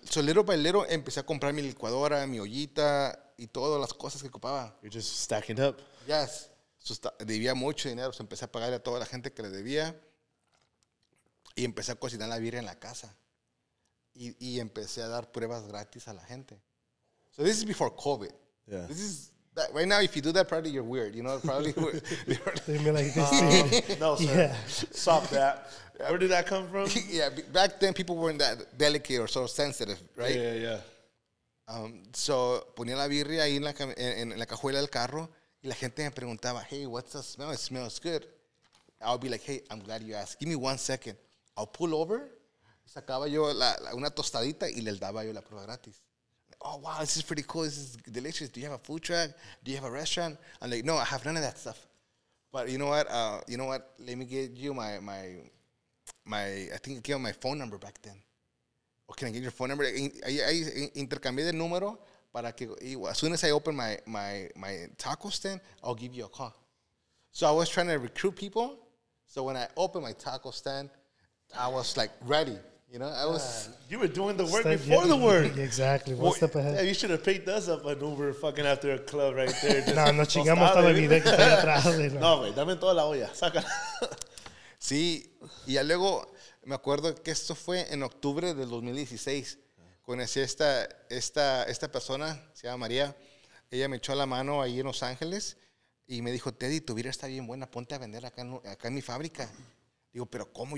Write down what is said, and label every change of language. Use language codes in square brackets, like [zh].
[en] So little by little, [es] empecé a comprar mi licuadora, mi ollita, y todas las cosas que ocupaba. [en] You're just stacking up. Yes. [es] So debía mucho dinero. So empecé a pagar a toda la gente que le debía. Y empecé a cocinar la birria en la casa. Y empecé a dar pruebas gratis a la gente. [en] So this is before COVID. Yeah. This is that, right now, if you do that, probably you're weird. You know, probably they're like this. No, sir. Yeah. Stop that. Where did that come from? Yeah, back then people weren't that delicate or so sensitive, right? Yeah. [es] So ponía la birria ahí en la cajuela del carro. Y la gente me preguntaba, [en] hey, what's the smell? It smells good. I'll be like, hey, I'm glad you asked. Give me 1 second. I'll pull over, [es] sacaba yo una tostadita y le daba yo la prueba gratis. [en] Oh, wow, this is pretty cool. This is delicious. Do you have a food truck? Do you have a restaurant? I'm like, no, I have none of that stuff. But you know what? Let me get you my, I think I gave my phone number back then. Oh, can I get your phone number? I [es] intercambié el número para que, [en] as soon as I open my taco stand, I'll give you a call. So I was trying to recruit people. So when I opened my taco stand, I was like ready, you know. You were doing the work before the work. Exactly. One step ahead. Yeah, you should have picked us up an Uber fucking after a club right there. Just [es] no chingamos toda la vida que está atrás. No, güey, dame toda la olla. Saca. Sí, y ya luego me acuerdo que esto fue en octubre del 2016. Conocí esta persona, se llama María. Ella me echó la mano ahí en Los Ángeles y me dijo, Teddy, tu vida está bien buena, ponte a vender acá en mi fábrica. Digo, pero ¿cómo?